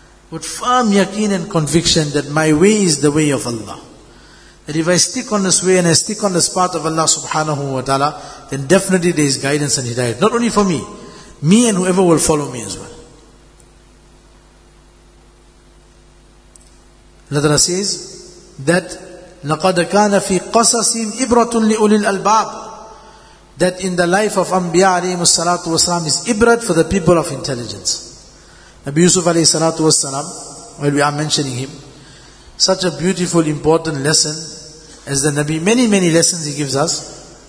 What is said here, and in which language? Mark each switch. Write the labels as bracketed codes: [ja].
[en] With firm yaqeen and conviction that my way is the way of Allah. That if I stick on this way and I stick on this path of Allah subhanahu wa ta'ala, then definitely there is guidance and hidayat. Not only for me and whoever will follow me as well. Another says that [ar] لَقَدْ كَانَ فِي قَصَصِهِمْ إِبْرَةٌ لِأُولِي الْأَلْبَابِ. [en] That in the life of Anbiya alayhimu salatu wasalam is ibrat for the people of intelligence. Nabi Yusuf alayhi salatu wasalam, while we are mentioning him, such a beautiful, important lesson as the Nabi, many, many lessons he gives us.